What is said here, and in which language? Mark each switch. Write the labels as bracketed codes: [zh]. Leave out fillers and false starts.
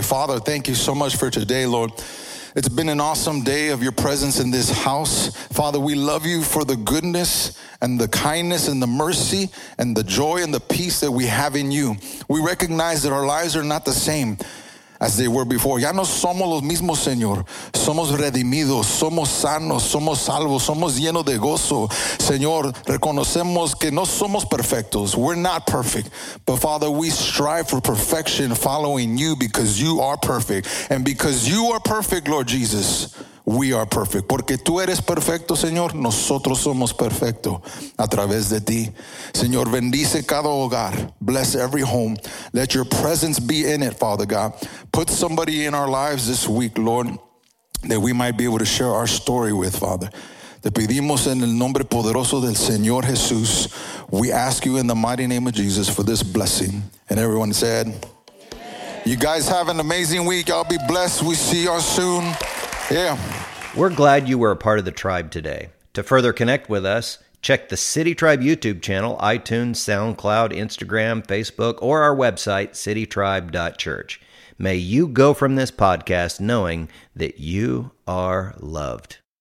[en] Father, thank you so much for today, Lord. It's been an awesome day of your presence in this house. Father, we love you for the goodness and the kindness and the mercy and the joy and the peace that we have in you. We recognize that our lives are not the same as they were before. [es] Ya no somos los mismos, Señor. Somos redimidos, somos sanos, somos salvos, somos llenos de gozo. Señor, reconocemos que no somos perfectos. [en] We're not perfect. But Father, we strive for perfection following you because you are perfect. And because you are perfect, Lord Jesus, We are perfect. [es] Porque tú eres perfecto, Señor. Nosotros somos perfecto a través de ti. Señor, bendice cada hogar. [en] Bless every home. Let your presence be in it, Father God. Put somebody in our lives this week, Lord, that we might be able to share our story with, Father. [es] Te pedimos en el nombre poderoso del Señor Jesús. [en] We ask you in the mighty name of Jesus for this blessing. And everyone said, amen. You guys have an amazing week. Y'all be blessed. We see y'all soon. Yeah. We're glad you were a part of the tribe today. To further connect with us, check the City Tribe YouTube channel, iTunes, SoundCloud, Instagram, Facebook, or our website, citytribe.church. May you go from this podcast knowing that you are loved.